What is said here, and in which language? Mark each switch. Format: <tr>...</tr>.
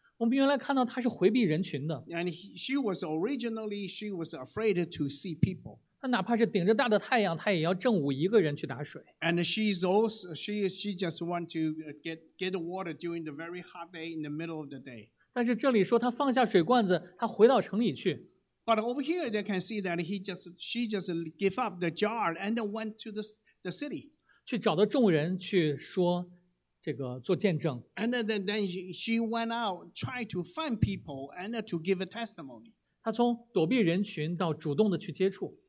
<zh>我们原来看到她是回避人群的。</zh> <en>And she was afraid to see people.</en> <zh>她哪怕是顶着大的太阳，她也要正午一个人去打水。</zh> <en>And she's also, she just want to get the water during the very hot day in the middle of the day.</en> <zh>但是这里说她放下水罐子，她回到城里去。</zh> <en>But over here, they can see that she just gave up the jar and went to the city.</en> <zh>去找到众人去说这个做见证。</zh> <en>And then she went out, tried to find people and to give a testimony.</en> <zh>她从躲避人群到主动的去接触。</zh>